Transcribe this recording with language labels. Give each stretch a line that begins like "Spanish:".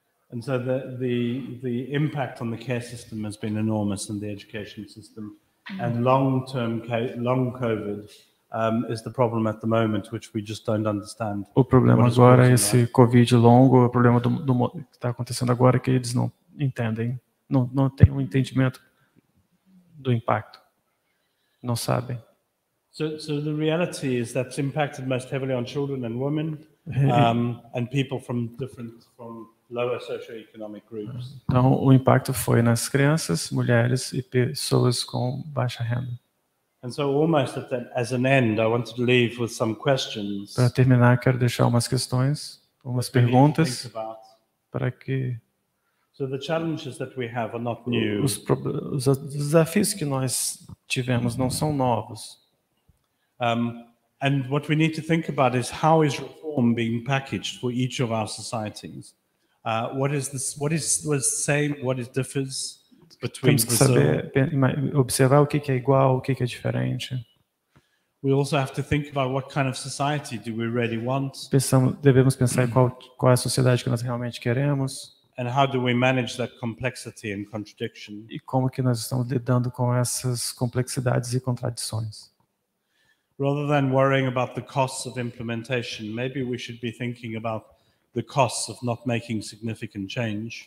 English: And so the impact on the care system has been enormous in the education system, and long COVID. Is the problem at the moment, which we just don't understand.
Portuguese: O problema agora é esse COVID longo, o problema do que está acontecendo agora que eles não entendem, não têm um entendimento do impacto, não sabem.
English: So the reality is that's impacted most heavily on children and women, and people from lower socioeconomic groups.
Portuguese: Então o impacto foi nas crianças, mulheres e pessoas com baixa renda.
English: And so almost at that, as an end, I wanted to leave with some questions.
Portuguese: Para terminar, quero deixar umas questões, umas perguntas. Para que...
English: So the challenges that we have are not new.
Portuguese: Os desafios que nós tivemos não são novos.
English: And what we need to think about is how is reform being packaged for each of our societies? What is the same, what is differs between Brazil?
Portuguese: Temos que saber, observar o que é igual, o que é diferente.
English: We also have to think about what kind of society do we really want.
Portuguese: Devemos pensar qual é a sociedade que nós realmente queremos.
English: And how do we manage that complexity and contradiction?
Portuguese: E como que nós estamos lidando com essas complexidades e contradições?
English: Rather than worrying about the costs of implementation, maybe we should be thinking about the costs of not making significant change.